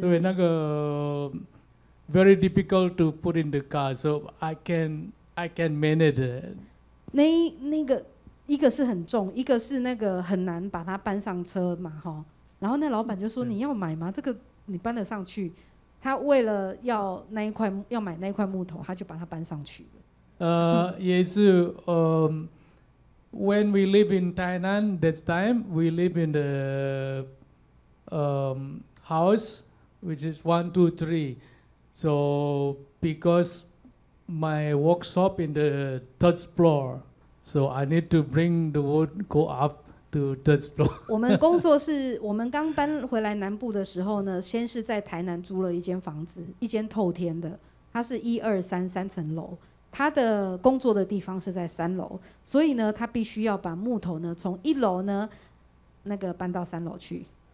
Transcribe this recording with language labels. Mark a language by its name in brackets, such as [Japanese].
[Chinese] 对那个 [English] very difficult to put in the car, so I can manage it. [Chinese] 那个一个是很重，一个是那个很难把它搬上车嘛，哈。然后那老板就说：“你要买吗？这个你搬得上去？” 他为了要那一块要买那一块木头，他就把它搬上去了。也是， [English] When we live in Tainan, that time we live in the house which is 1, 2, 3. So because my workshop in the third floor, so I need to bring the wood go up. [Chinese] 我们工作是我们刚搬回来南部的时候呢，先是在台南租了一间房子，一间透天的，它是1、2、3，3层楼。他的工作的地方是在3楼，所以呢，他必须要把木头呢从1楼呢那个搬到3楼去。